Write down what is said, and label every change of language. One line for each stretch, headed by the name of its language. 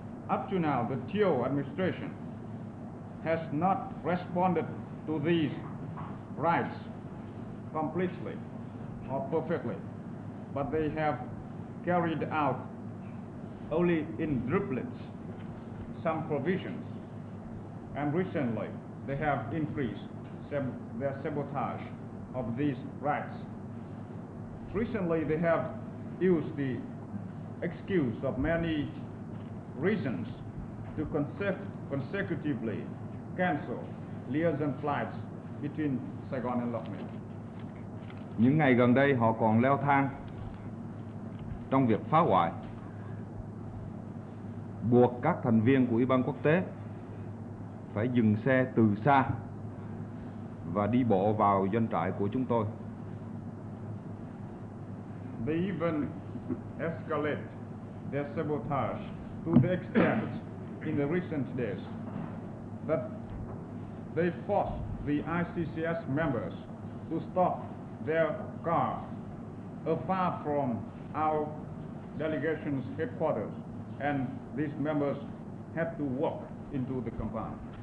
English: Up to now, the Thieu administration has not responded to these rights completely or perfectly, but they have carried out only in droplets some provisions, and recently they have increased their sabotage of these rights. Recently they have used the excuse of many reasons to consecutively cancel liaison flights between Saigon and Loc Ninh.
Vietnamese: Những ngày gần đây họ còn leo thang trong việc phá hoại buộc các thành viên của Ủy ban quốc tế phải dừng xe từ xa và đi bộ vào doanh trại của chúng tôi.
English: They even escalate their sabotage to the extent in the recent days that they forced the ICCS members to stop their car afar from our delegation's headquarters, and these members had to walk into the compound.